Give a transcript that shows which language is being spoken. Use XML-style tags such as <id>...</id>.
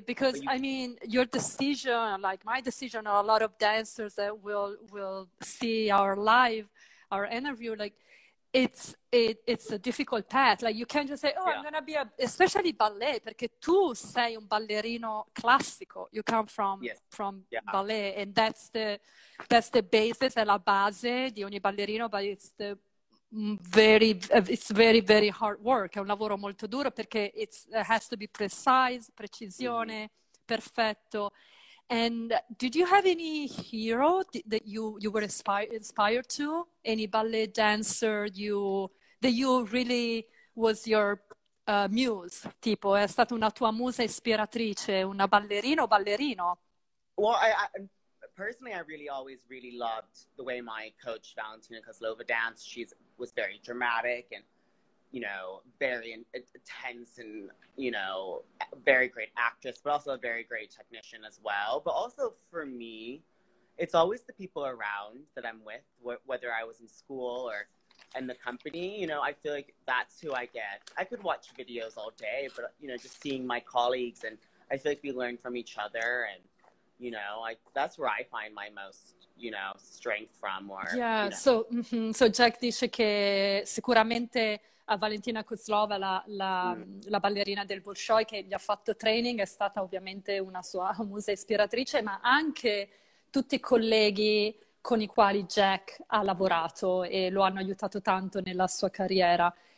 <en>Because, I mean, your decision, like my decision, or a lot of dancers that will see our live, our interview, like, it's a difficult path. Like, you can't just say, oh, yeah. I'm going to be a, especially ballet,</en> <it>perché tu sei un ballerino classico.</it> <en>You come from, from ballet. And that's the basis,</en> <it>è la base di ogni ballerino,</it> <en>but it's the, very, it's very, very hard work.</en> <it>È un lavoro molto duro perché</it> <en>it has to be precise,</en> <it>precisione, perfetto.</it> <en>And did you have any hero that you were inspired to? Any ballet dancer that you really was your muse?</en> <it>Tipo, è stata una tua musa ispiratrice, una ballerina o ballerino?</it> <en>Well, personally, I really always really loved the way my coach Valentina Kozlova danced. She was very dramatic and, you know, very intense and, you know, very great actress, but also a very great technician as well. But also for me, it's always the people around that I'm with, whether I was in school or in the company, you know, I feel like that's who I get. I could watch videos all day, but, you know, just seeing my colleagues and I feel like we learn from each other and, you know, that's where I find my most, you know, strength from.</en> <it>So, so Jack dice che sicuramente a Valentina Kozlova, la ballerina del Bolshoi che gli ha fatto training, è stata ovviamente una sua musa ispiratrice, ma anche tutti i colleghi con i quali Jack ha lavorato e lo hanno aiutato tanto nella sua carriera.</it>